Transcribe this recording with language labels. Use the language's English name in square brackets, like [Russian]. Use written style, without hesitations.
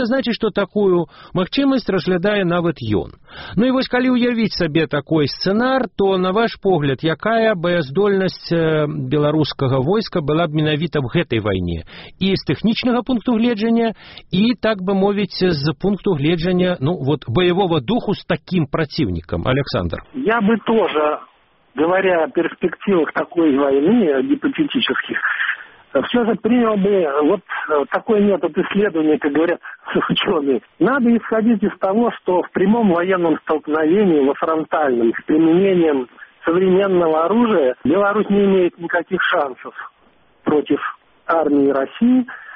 [Belarusian] Это значыць, што такую магчымасць разглядае нават ён. І калі ўявіць сабе такой сцэнар, то, на ваш погляд, якая баяздольнасць беларускага войска была б менавіта в гэтай вайне? І з тэхнічнага пункту гледжання, і, так бы мовіць, з пункту гледжання, баявого духу [Russian] с таким противником, [Belarusian] Александр? [Russian] Я бы тоже, говоря о перспективах такой войны, гипотетических, все же принял бы вот такой метод исследования, как говорят ученые. Надо исходить из того, что в прямом военном столкновении, во фронтальном, с применением современного оружия, Беларусь не имеет никаких шансов против армии России.